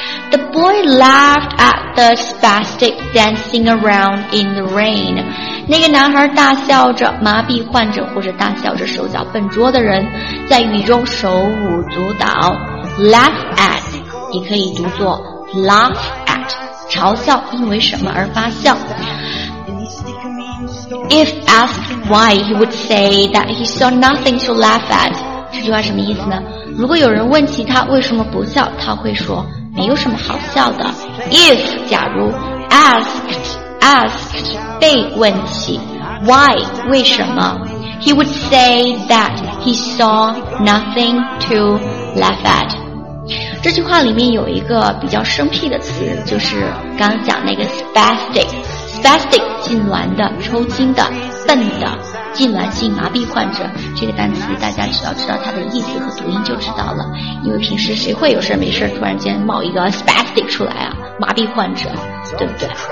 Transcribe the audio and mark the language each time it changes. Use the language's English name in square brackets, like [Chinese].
[English] The boy laughed at the spastic dancing around in the rain. [Chinese] 那个男孩大笑着，麻痹患者或者大笑着手脚笨拙的人，在雨中手舞足蹈。 Laugh at 也可以读作 laugh at， 嘲笑，因为什么而发笑。 [English] If asked why, he would say that he saw nothing to laugh at. [Chinese] 这句话什么意思呢？如果有人问起他为什么不笑，他会说没有什么好笑的。 [English] If [Chinese] 假如 [English] asked [Chinese] 被问起 [English] why [Chinese] 为什么， [English] he would say that he saw nothing to laugh at. [Chinese] 这句话里面有一个比较生僻的词，就是刚讲那个 spasticSpastic， 痉挛的、抽筋的、笨的、痉挛性麻痹患者，这个单词大家只要知道它的意思和读音就知道了。因为平时谁会有事没事突然间冒一个 spastic 出来啊，麻痹患者，对不对？